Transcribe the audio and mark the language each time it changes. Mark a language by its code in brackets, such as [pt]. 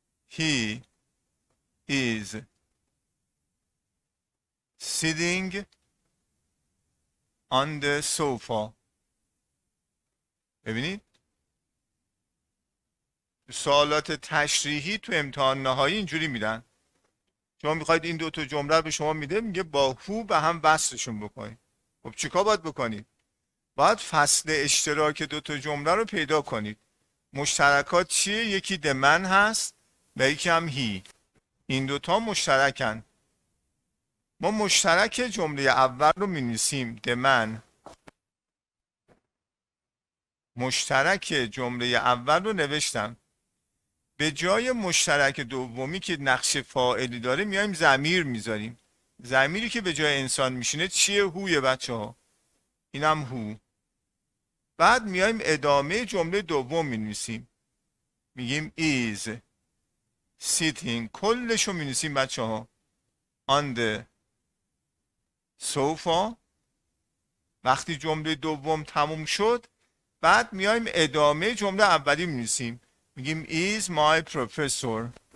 [en] He is sitting on the sofa. [fa] ببینید سوالات تشریحی تو امتحان نهایی اینجوری میدن. شما میخواید این دو تا جمله رو به شما میده، میگه با هو به هم وصلشون بکنید. خب چیکار باید بکنید؟ باید فصل اشتراک دو تا جمله رو پیدا کنید. مشترکات چیه؟ یکی the man هست و یکی هم he. این دوتا مشترکن. ما مشترک جمله اول رو می نویسیم the man. مشترک جمله اول رو نوشتم. به جای مشترک دومی که نقش فاعلی داره میایم ضمیر میذاریم. ضمیری که به جای انسان میشینه چیه؟ هوی بچه ها. اینم هو. بعد میایم ادامه جمله دوم می نویسیم. میگیم [en] is sitting. [fa] کلشو می نویسیم بچه ها. [en] On the sofa. [fa] وقتی جمله دوم تموم شد، بعد میایم ادامه جمله اولی می نویسیم. میگیم [en] is my professor.